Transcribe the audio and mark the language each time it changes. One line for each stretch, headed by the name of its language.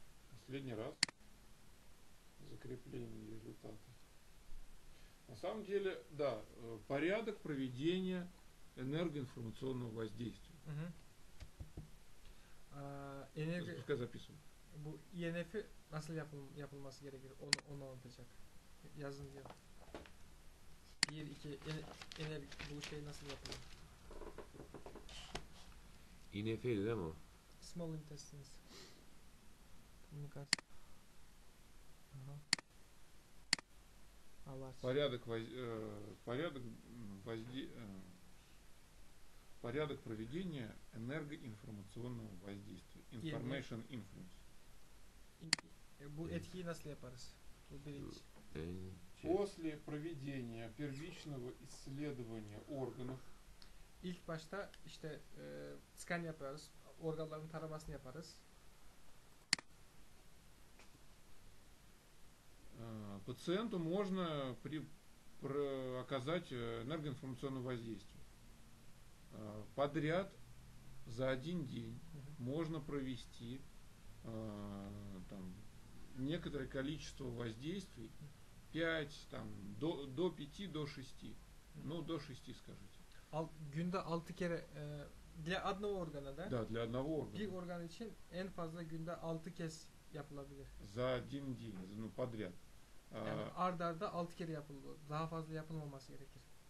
Russian: Последний раз. Закрепление результата. На самом деле, да, порядок проведения энергоинформационного воздействия. Пускай записываем.
Turkish: Bu INF nasıl yapılması gerekir? Onu anlatacak. Yazın diyor. 1, 2, INF bu şey nasıl yapılır? INF'ydi değil mi o? Small intestines. Bunu kaç? Allah aşkına.
Russian: Порядок проведения энергоинформационного воздействия.
English: Information influence.
Turkish: Bu etkiyi nasıl yaparız? Bu birinci.
Russian: После проведения первичного исследования органов.
Turkish: İlk başta işte scan yaparız. Organların taramasını yaparız.
Russian: Пациенту можно оказать энергоинформационное воздействие. Подряд за один день можно провести там некоторое количество воздействий, 5, там, до 5, до 6. Ну, до 6, скажите.
Turkish: Günde 6 kere
Russian: для одного органа, да? Да, для одного органа.
Turkish: Bir organ için en fazla günde 6 kez yapılabilir.
Russian: За один день, ну, подряд.
Turkish: Yani arda arda 6 kere yapıldı. Daha fazla yapılmaması gerekir.